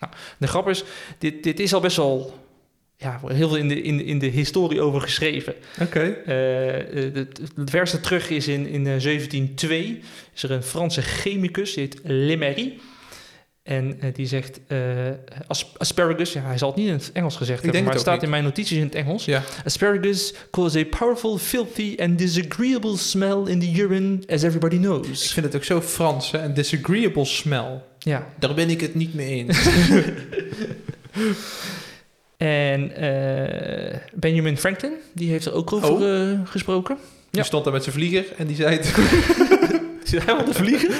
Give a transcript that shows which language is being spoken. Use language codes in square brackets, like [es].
[nl] Nou, de grap is, dit is al best wel heel veel in de historie over geschreven. Okay. Het vers dat terug is in 1702, is er een Franse chemicus, die heet Lemery. En die zegt asparagus, ja, hij zal het niet in het Engels gezegd hebben, maar het staat in mijn notities in het Engels. Ja. [en] Asparagus cause a powerful, filthy and disagreeable smell in the urine, as everybody knows. [nl] Ik vind het ook zo Frans, hè? Een [en] disagreeable smell. [nl] Ja. Daar ben ik het niet mee eens. En Benjamin Franklin, die heeft er ook over gesproken. Die stond daar met zijn vlieger en die zei... Zit hij wel te vliegen?